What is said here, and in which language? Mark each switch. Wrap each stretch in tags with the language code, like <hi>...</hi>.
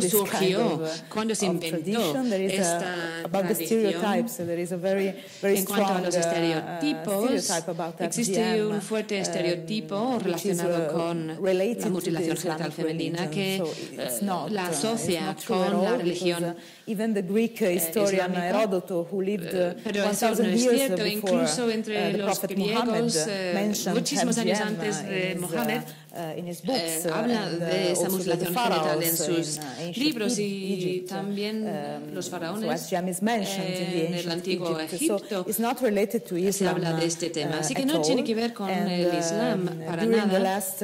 <es>surgió, cuándo se inventó esta tradición. En cuanto a los estereotipos, existe un fuerte estereotipo relacionado con la mutilación genital femenina que la asocia con la religión.</es> <en>Even the Greek historian Herodoto, who lived 1,000 years before the Prophet Muhammad,</en> <es>muchísimos años antes de Muhammad, habla de esa mutilación genital en sus libros y también los faraones en el antiguo Egipto.</es> <en>So it's not related to Islam,</en> <es>se habla de este tema. Así que no tiene que ver con el Islam para nada.</es>